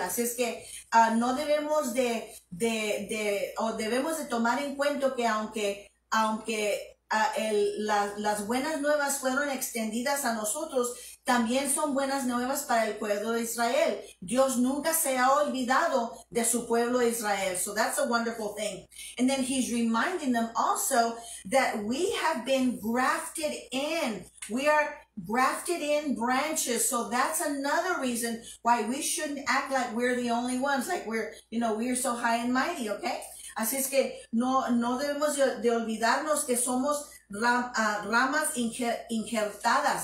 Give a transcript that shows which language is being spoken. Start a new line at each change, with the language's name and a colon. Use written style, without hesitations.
Spanish: Así es que no debemos de, o debemos de tomar en cuenta que aunque Las buenas nuevas fueron extendidas a nosotros, también son buenas nuevas para el pueblo de Israel. Dios nunca se ha olvidado de su pueblo de Israel.
English: So that's a wonderful thing. And then he's reminding them also that we have been grafted in. We are grafted in branches. So that's another reason why we shouldn't act like we're the only ones, like we're, you know, we're so high and mighty, okay?
Spanish: Así es que no debemos de olvidarnos que somos ramas injertadas.